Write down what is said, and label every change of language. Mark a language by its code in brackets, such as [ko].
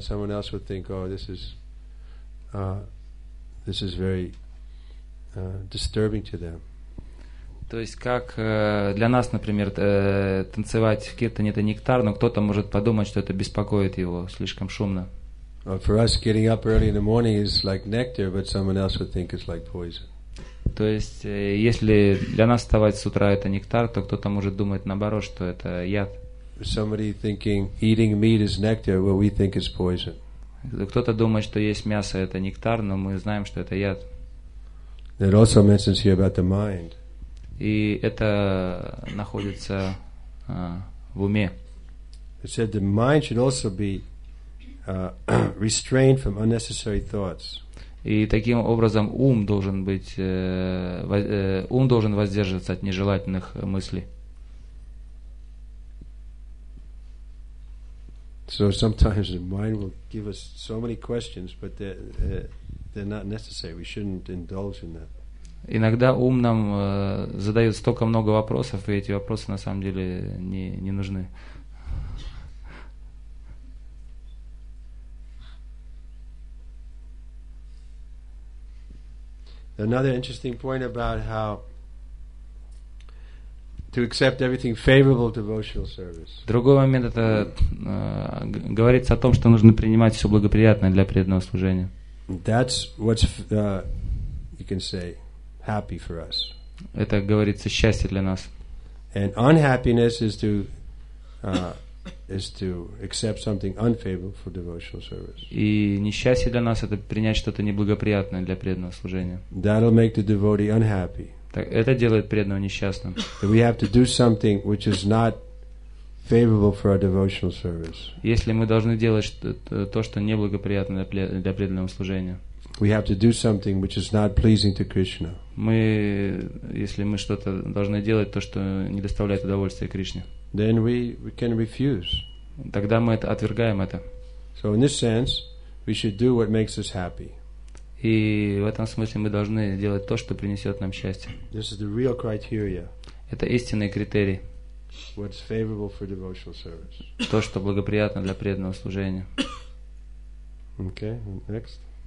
[en] Someone else would think, oh, this is very disturbing to them. [ru] То есть как для нас, например, танцевать в киртане — это нектар, но кто-то может подумать, что это беспокоит его, слишком шумно. [en] For us, getting up early in the morning is like nectar, but someone else would think it's like poison. [ru] То есть, если для нас вставать с утра — это нектар, то кто-то может думать наоборот, что это яд. [en] Somebody thinking eating meat is nectar, well, we think it's poison. [ru] Кто-то думает, что есть мясо — это нектар, но мы знаем, что это яд. [en] It also mentions here about the mind. [ru] И это находится в уме. [en] It said the mind should also be restrained from unnecessary thoughts. [ru] И таким образом ум должен быть ум должен воздерживаться от нежелательных мыслей. [en] So sometimes the mind will give us so many questions, but they're not necessary. We shouldn't indulge in that. [ru] Иногда ум нам задает столько много вопросов, и эти вопросы на самом деле не нужны. [en] Another interesting point about how to accept everything favorable devotional service. [ru] Другой момент — это говорится о том, что нужно принимать все благоприятное для преданного служения. [en] That's what's you can say happy for us. [ru] Это говорится счастье для нас. [en] And unhappiness is to accept something unfavorable for devotional service. [ru] И несчастье для нас — это принять что-то неблагоприятное для преданного служения. [en] That'll make the devotee unhappy. [ru] Так это делает преданного несчастным. [en] We have to do something which is not favorable for our devotional service. [ru] Если мы должны делать то, что неблагоприятно для преданного служения. [en] We have to do something which is not pleasing to Krishna. [ru] Если мы что-то должны делать, то, что не доставляет удовольствия Кришне. [en] Then we can refuse. [ru] Тогда мы это отвергаем это. [en] So in this sense, we should do what makes us happy. [ru] И в этом смысле мы должны делать то, что принесет нам счастье. [en] This is the real criteria. [ru] Это истинный критерий. [en] What's favorable for devotional service. [ru] То, что благоприятно для преданного служения. [en] Okay, next.